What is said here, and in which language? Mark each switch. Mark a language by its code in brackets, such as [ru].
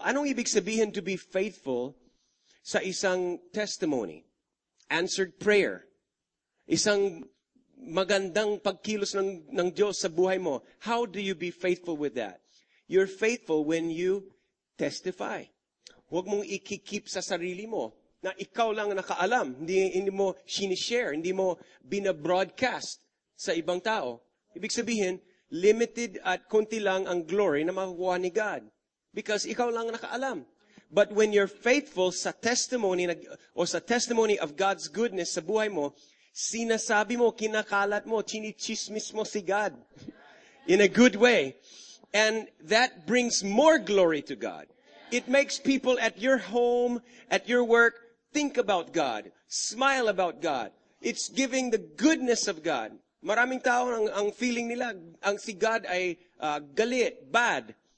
[tl] Anong ibig sabihin [en] to be faithful [tl] sa isang [en] testimony? Answered prayer. [tl] Isang magandang pagkilos ng Diyos sa buhay mo. [en] How do you be faithful with that? You're faithful when you testify. [tl] Huwag mong ikikip sa sarili mo na ikaw lang nakaalam. Hindi mo sinishare. Hindi mo binabroadcast sa ibang tao. Ibig sabihin, limited at konti lang ang glory na makukuha ni God. Because ikaw lang nakaalam. [en] But when you're faithful [tl] sa testimony o sa testimony [en] of God's goodness [tl] sa buhay mo, sinasabi mo, kinakalat mo, chinichismis mo si God [en] in a good way. And that brings more glory to God. It makes people at your home, at your work, think about God, smile about God. It's giving the goodness of God. [tl] Maraming tao ang feeling nila, ang si God ay galit, bad.